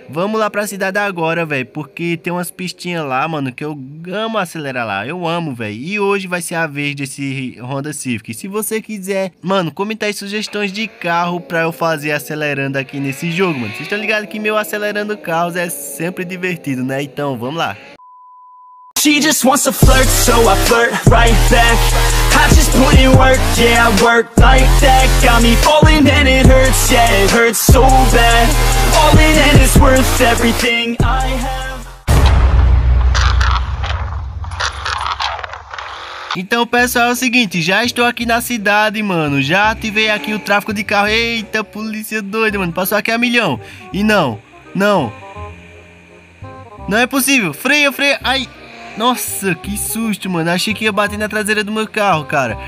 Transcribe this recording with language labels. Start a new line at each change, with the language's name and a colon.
Portuguese: Vamos lá pra cidade agora, velho. Porque tem umas pistinhas lá, mano, que eu amo acelerar lá. Eu amo, velho. E hoje vai ser a vez desse Honda Civic. Se você quiser, mano, comenta aí sugestões de carro pra eu fazer acelerando aqui nesse jogo, mano. Vocês estão ligados que meu acelerando carros é sempre divertido, né? Então, vamos lá.
English: She just wants to flirt, so I flirt right back. I just put in work, yeah, I work like that. Got me falling and it hurts, yeah, it hurts so bad. All in and it's worth everything I have.
Portuguese: Então, pessoal, é o seguinte, já estou aqui na cidade, mano. Já ativei aqui o tráfego de carro. Eita, polícia doida, mano. Passou aqui a milhão. E não. Não é possível. Freia, ai. Nossa, que susto, mano. Achei que ia bater na traseira do meu carro, cara.